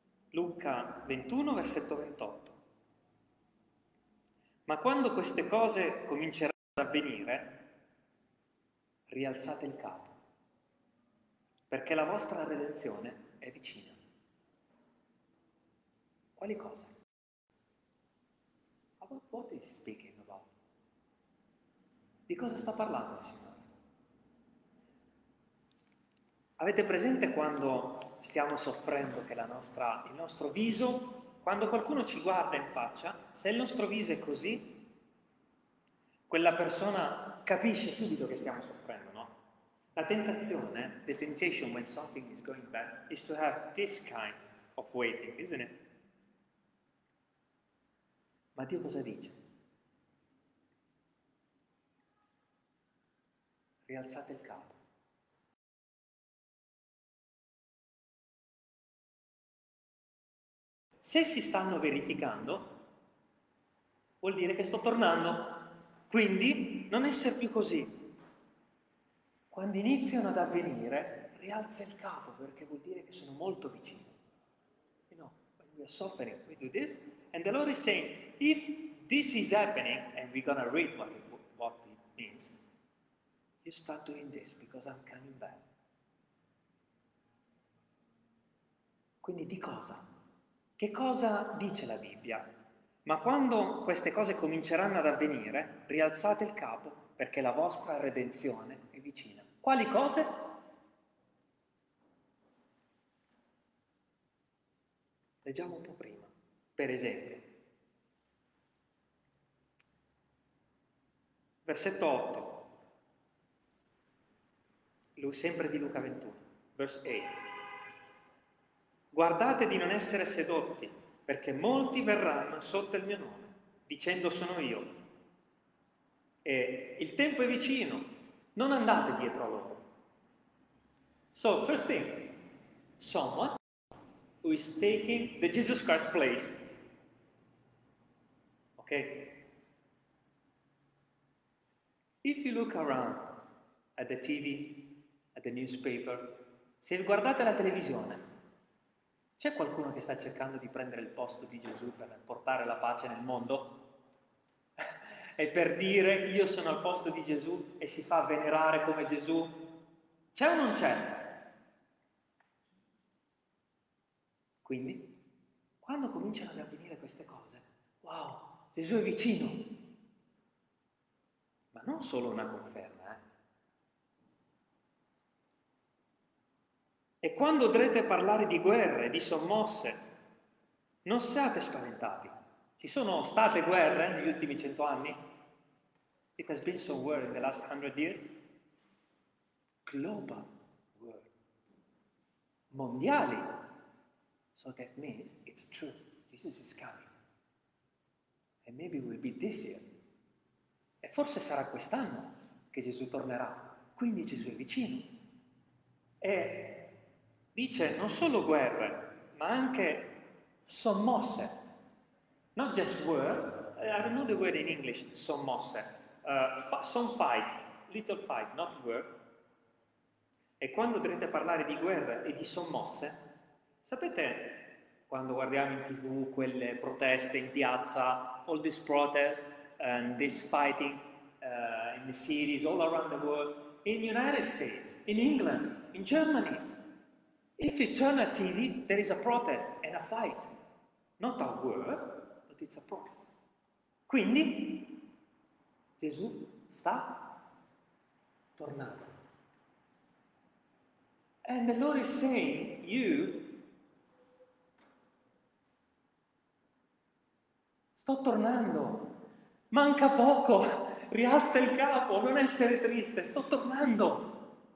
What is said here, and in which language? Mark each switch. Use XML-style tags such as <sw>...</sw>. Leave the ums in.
<it>Luca 21, versetto 28. Ma quando queste cose cominceranno ad avvenire, rialzate il capo, perché la vostra redenzione è vicina. Quali cose?</it> <en>About what is speaking about?</en> <it>Di cosa sta parlando il Signore? Avete presente quando stiamo soffrendo che la nostra- il nostro viso, quando qualcuno ci guarda in faccia, se il nostro viso è così, quella persona capisce subito che stiamo soffrendo, no? La tentazione,</it> <en>the temptation when something is going bad, is to have this kind of waiting, isn't it?</en> <it>Ma Dio cosa dice? Rialzate il capo. Se si stanno verificando, vuol dire che sto tornando. Quindi non essere più così, quando iniziano ad avvenire, rialza il capo perché vuol dire che sono molto vicino.</it> <en>You know, when we are suffering, we do this. And the Lord is saying, if this is happening, and we're gonna read what it, what it means, you start doing this because I'm coming back.</en> <it>Quindi di cosa? Che cosa dice la Bibbia? Ma quando queste cose cominceranno ad avvenire, rialzate il capo perché la vostra redenzione è vicina. Quali cose? Leggiamo un po' prima. Per esempio, versetto 8, Lu- sempre di Luca 21,</it> <en>verse 8.</en> <it>Guardate di non essere sedotti, perché molti verranno sotto il mio nome, dicendo sono io. E il tempo è vicino, non andate dietro a loro.</it> <en>So, first thing, someone who is taking the Jesus Christ place. Okay? If you look around at the TV, at the newspaper,</en> <it>se guardate la televisione, c'è qualcuno che sta cercando di prendere il posto di Gesù per portare la pace nel mondo? e per dire io sono al posto di Gesù e si fa venerare come Gesù? C'è o non c'è? Quindi, quando cominciano ad avvenire queste cose, wow, Gesù è vicino. Ma non solo una conferma, eh. E quando dovrete parlare di guerre, di sommosse, non siate spaventati. Ci Ci sono state guerre negli ultimi cento anni?</it> <en>It has been some war in the last hundred years. Global war.</en> <it>Mondiali.</it> <en>So that means it's true. Jesus is coming. And maybe will be this year.</en> <it>E forse sarà quest'anno che Gesù tornerà. Quindi Gesù è vicino. E dice non solo guerre, ma anche sommosse.</it> <en>Not just war, I don't know the word in English, sommosse. Uh, fa- some fight, little fight, not war.</en> <it>E quando dovrete parlare di guerre e di sommosse, sapete quando guardiamo in tv quelle proteste in piazza,</it> <en>all these protests and this fighting uh, in the cities all around the world, in United States, in England, in Germany. If you turn a TV, there is a protest and a fight. Not a war, but it's a protest.</en> <it>Quindi Gesù sta tornando.</it> <en>And the Lord is saying, you</en> <it>Sto tornando, manca poco, rialza il capo, non essere triste, sto tornando.</it>